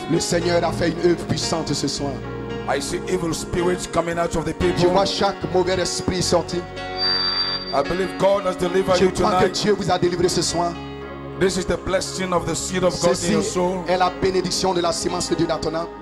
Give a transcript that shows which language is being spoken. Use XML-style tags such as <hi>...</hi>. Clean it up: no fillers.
<fr>Le Seigneur a fait une œuvre puissante ce soir.</fr> <en>I see evil spirits coming out of the people.</en> <fr>Je vois chaque mauvais esprit sorti.</fr> <en>I believe God has delivered you tonight.</en> <fr>Je crois que Dieu vous a délivré ce soir.</fr> <en>This is the blessing of the seed of God in your soul.</en> <fr>Ceci est la bénédiction de la semence de Dieu dans ton âme.</fr>